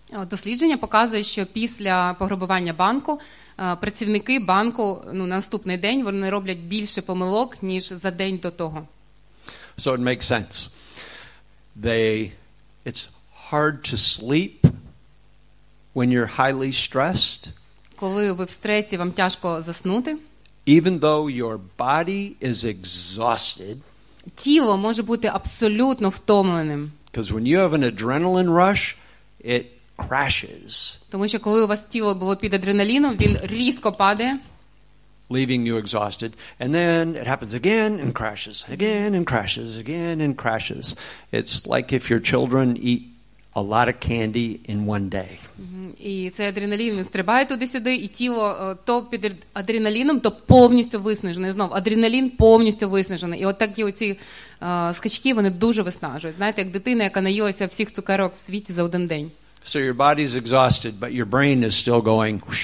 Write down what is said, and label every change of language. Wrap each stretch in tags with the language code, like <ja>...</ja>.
<uk>Дослідження показує, що після пограбування банку працівники банку, ну, наступний день вони роблять більше помилок, ніж за день до того.</uk> <en>So it makes sense. It's hard to sleep when you're highly stressed.</en> <uk>Коли ви в стресі, вам тяжко заснути.</uk> <en>Even though your body is exhausted,</en> <uk>тіло може бути абсолютно втомленим.</uk> <en>Because when you have an adrenaline rush, it crashes.</en> <uk>Тому що коли у вас тіло було під адреналіном, він різко падає.</uk> <en>Leaving you exhausted. And then it happens again and crashes, again and crashes, again and crashes. It's like if your children eat a lot of candy in one day.</en> <uk>І цей адреналін стрибає туди-сюди, і тіло то під адреналіном, то повністю виснажене. Знов, адреналін повністю виснажений. І от такі оці скачки, вони дуже виснажують. Знаєте, як дитина, яка наїлася всіх цукерок в світі за один день.</uk> <en>So your body's exhausted, but your brain is still going.</en>